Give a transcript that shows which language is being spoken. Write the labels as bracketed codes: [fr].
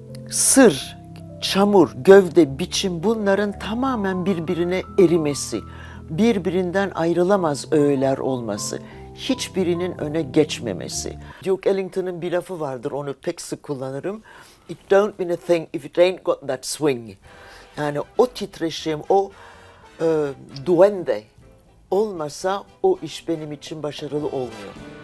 [tr] Sır, çamur, gövde, biçim bunların tamamen birbirine erimesi, birbirinden ayrılamaz öğeler olması, hiçbirinin öne geçmemesi. Duke Ellington'ın bir lafı vardır, onu pek sık kullanırım. [en] It don't mean a thing if it ain't got that swing. [tr] Yani o titreşim, o duende olmasa o iş benim için başarılı olmuyor.